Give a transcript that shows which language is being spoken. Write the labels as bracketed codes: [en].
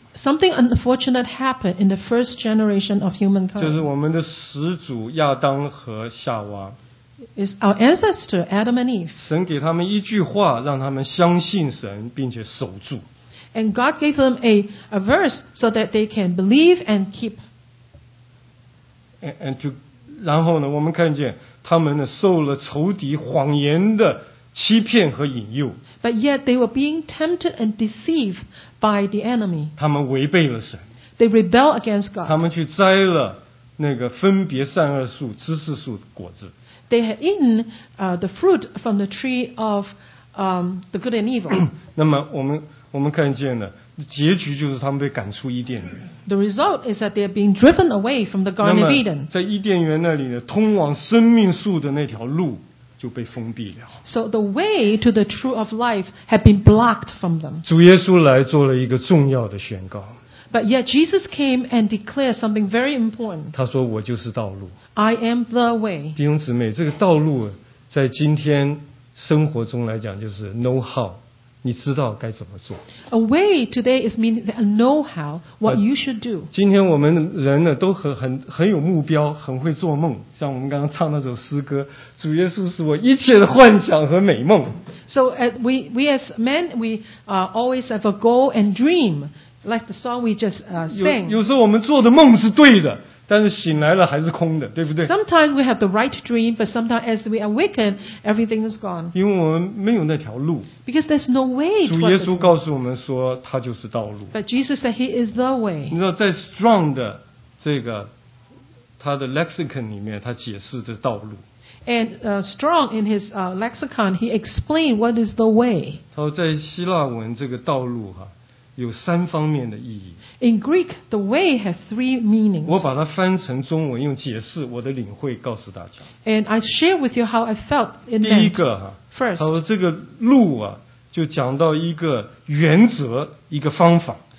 [en] Something unfortunate happened in the first generation of humankind. [zh] 就是我们的始祖亚当和夏娃。 [en] Is our ancestor Adam and Eve. [zh] 神给他们一句话，让他们相信神，并且守住。 [en] And God gave them a verse so that they can believe and keep. [zh] And 然后呢，我们看见他们呢受了仇敌谎言的欺骗和引诱。 [en] But yet they were being tempted and deceived by the enemy. [zh] 他们违背了神。 [en] They rebel against God. [zh] 他们去摘了那个分别善恶树、知识树的果子。 [en] They had eaten the fruit from the tree of the good and evil. [zh] 那么我们看见了，结局就是他们被赶出伊甸园。 [en] The result is that they are being driven away from the Garden of Eden. [zh] 在伊甸园那里呢，通往生命树的那条路。就被封闭了。 [en] So the way to the tree of life had been blocked from them. [zh] 主耶稣来做了一个重要的宣告。 [en] But yet Jesus came and declared something very important. [zh] 他说我就是道路。 [en] I am the way. [zh] 弟兄姊妹，这个道路在今天生活中来讲就是 know how， 你知道该怎么做。 [en] A way today is meaning that a know how what you should do. [zh] 今天我们人呢都很有目标，很会做梦，像我们刚刚唱那首诗歌，主耶稣是我一切的幻想和美梦。 [en] So we as men we always have a goal and dream like the song we just sang. [zh] 有时候我们做的梦是对的，但是醒来了还是空的，对不对？ [en] Sometimes we have the right dream, but sometimes as we awaken, everything is gone. [zh] 因为我们没有那条路。 [en] Because there's no way. [zh] 主耶稣告诉我们说，他就是道路。 [en] But Jesus said He is the way. [zh] 你知道，在 Strong 的这个他的 lexicon 里面，他解释的道路。 [en] And Strong in his lexicon, he explained what is the way. [zh] 他说，在希腊文这个道路哈。有三方面的意义。 [en] In Greek, the way has three meanings. [zh] 我把它翻成中文，用解释我的领会告诉大家。 [en] And I share with you how I felt in that. [zh] 第一个哈 [en] ，First， [zh] 他说这个路啊，就讲到一个原则，一个方法。